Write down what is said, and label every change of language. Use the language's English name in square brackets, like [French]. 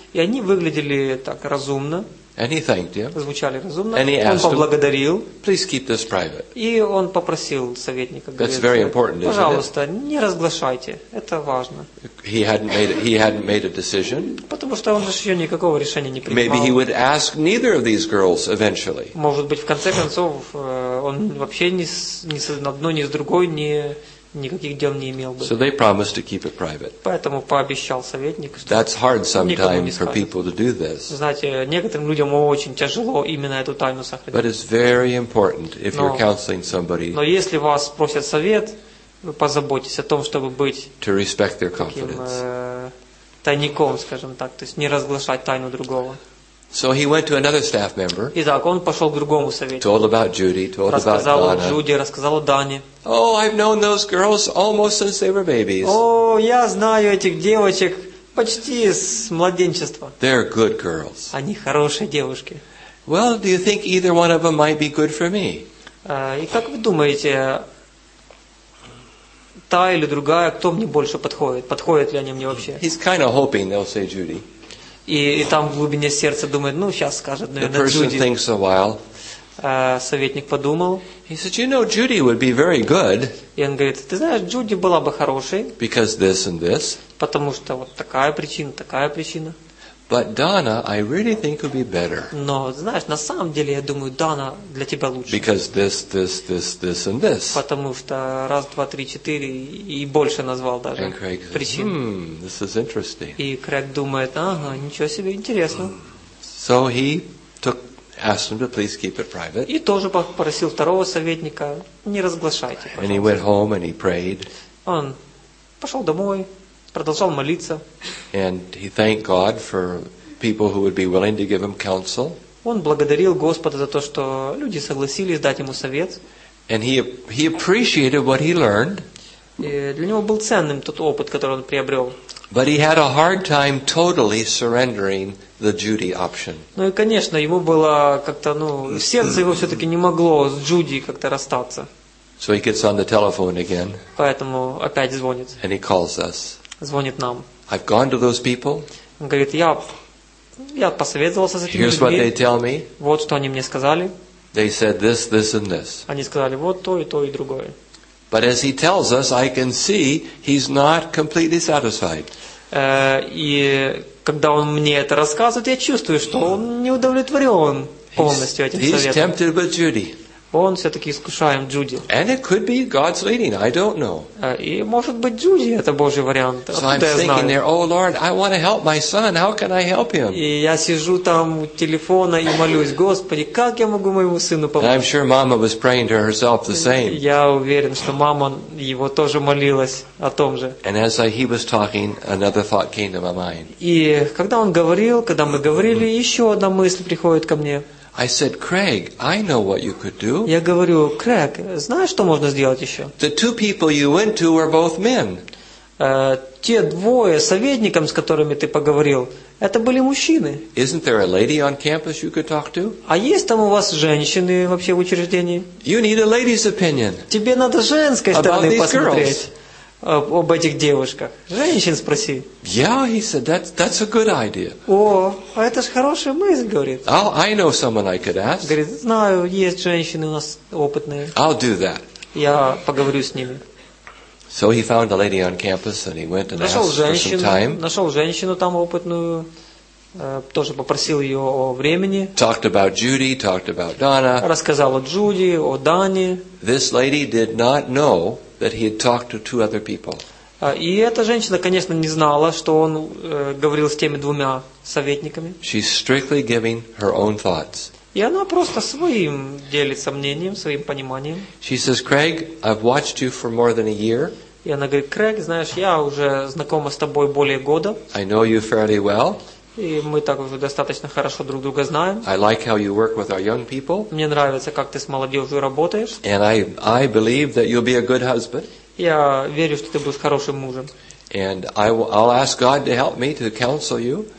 [Russian] И они выглядели так разумно. [English] And he thanked him. [Russian] Звучали разумно. [English] And he [Russian] он [English] asked [Russian] поблагодарил. [English] Him, please keep this private. [Russian] И он попросил советника. [English] That's very important, isn't it? [Russian] Пожалуйста, не разглашайте. Это важно. [English] He hadn't made a decision. [Russian] Потому что он же еще никакого решения не принимал. [English] Maybe he would ask neither of these girls eventually. [Russian] Может быть, в конце концов, он вообще ни с одной, ни с другой не... Никаких дел не имел бы. [English] So they promised to keep it private. [Russian] Поэтому пообещал советник, что [English] That's hard sometimes for people to do this. [Russian] Знаете, некоторым людям очень тяжело именно эту тайну сохранить. [English] But it's very important if you're counseling somebody. [Russian] Но если вас просят совет, вы позаботьтесь о том, чтобы быть [English] to respect their confidence. [Russian] Таким, тайником, скажем так, то есть не разглашать тайну другого. [English] So he went to another staff member. [Russian] Итак, он пошел к другому советнику. [English] Told about Judy. Told about Donna. [Russian] Рассказал Джуди, рассказал Дане. [English] Oh, I've known those girls almost since they were babies. [Russian] Я знаю этих девочек почти с младенчества. [English] They're good girls. [Russian] Они хорошие девушки. [English] Well, do you think either one of them might be good for me? [Russian] И как вы думаете, та или другая, кто мне больше подходит? Подходят ли они мне вообще? [English] He's kind of hoping they'll say Judy. [Russian] И там в глубине сердца думает, ну, сейчас скажет, наверное, Джуди. [English] The person thinks a while. [Russian] Советник подумал. [English] He said, "You know, Judy would be very good." [Russian] И он говорит, ты знаешь, Джуди была бы хорошей. [English] Because this and this. [Russian] Потому что вот такая причина, такая причина. [English] But Donna, I really think would be better. [Russian] Но, знаешь, на самом деле, я думаю, Дана для тебя лучше. [English] Because this, this, this, this and this. [Russian] Потому что раз, два, три, четыре и больше назвал даже [English] and Craig says, [Russian] причин. [English] This is interesting. [Russian] И Крейг думает, ага, ничего себе, интересно. [English] So he took, asked him to please keep it private. [Russian] И тоже попросил второго советника, не разглашайте, пожалуйста. [English] And he went home and he prayed. [Russian] Он пошел домой. Продолжал молиться. [English] And he thanked God for people who would be willing to give him counsel. [Russian] Он благодарил Господа за то, что люди согласились дать ему совет. [English] And he appreciated what he learned. [Russian] И для него был ценным тот опыт, который он приобрел. [English] But he had a hard time totally surrendering the Judy option. [Russian] Ну и конечно, ему было как-то, ну, сердце его все-таки не могло с Джуди как-то расстаться. [English] So he gets on the telephone again. [Russian] Поэтому опять звонит. [English] And he calls us. [Russian] Звонит нам. [English] I've gone to those people. [Russian] Он говорит, я посоветовался с этими [English] Here's [Russian] людьми. [English] What they tell me. [Russian] Вот что они мне сказали. [English] They said this, this and this. [Russian] Они сказали вот то и другое. [English] But as he tells us, I can see he's not completely satisfied. [Russian] И когда он мне это рассказывает, я чувствую, что он не удовлетворен полностью этим советом. [English] He's tempted with Judy. [Russian] Он все-таки искушаем Джуди. [English] And it could be God's leading. I don't know. [Russian] И может быть Джуди это Божий вариант. [English] So I'm thinking there, oh Lord, I want to help my son. How can I help him? [Russian] И я сижу там у телефона и молюсь, Господи, как я могу моему сыну помочь? [English] I'm sure Mama was praying to herself the same. [Russian] Я уверен, что мама его тоже молилась о том же. [English] And as he was talking, another thought came to my mind. [Russian] И когда он говорил, когда мы говорили, еще одна мысль приходит ко мне. [English] I said, Craig, I know what you could do. [Russian] Я говорю, Крэг, знаешь, что можно сделать еще? [English] The two people you went to were both men. [Russian] Те двое советникам, с которыми ты поговорил, это были мужчины. [English] Isn't there a lady on campus you could talk to? [Russian] А есть там у вас женщины вообще в учреждении? [English] You need a lady's opinion. [Russian] Тебе надо женской стороны посмотреть. Об этих девушках. Женщин спроси. [English] Yeah, he said, that's a good idea. [Russian] О, а это ж хорошая мысль, говорит. [English] I know someone I could ask. [Russian] Говорит, знаю, есть женщины у нас опытные. [English] I'll do that. [Russian] Я поговорю с ними. [English] So he found a lady on campus and he went and [Russian] нашел [English] asked [Russian] женщину, [English] for some time. [Russian] Нашел женщину там опытную, тоже попросил ее о времени. [English] Talked about Judy, talked about Donna. [Russian] Рассказал о Джуди, о Дане. [English] This lady did not know that he had talked to two other people. [Russian] И эта женщина, конечно, не знала, что он говорил с теми двумя советниками. [English] She's strictly giving her own thoughts. [Russian] И она просто своим делится мнением, своим пониманием. [English] She says, Craig, I've watched you for more than a year. [Russian] И она говорит, Крэг, знаешь, я уже знакома с тобой более года. [English] I know you fairly well. [Russian] И мы так уже достаточно хорошо друг друга знаем. [English] I like how you work with our young people. [Russian] Мне нравится, как ты с молодежью работаешь. [English] And I believe that you'll be a good husband. [Russian] Я верю, что ты будешь хорошим мужем. [English] And I'll ask God to help me to counsel you.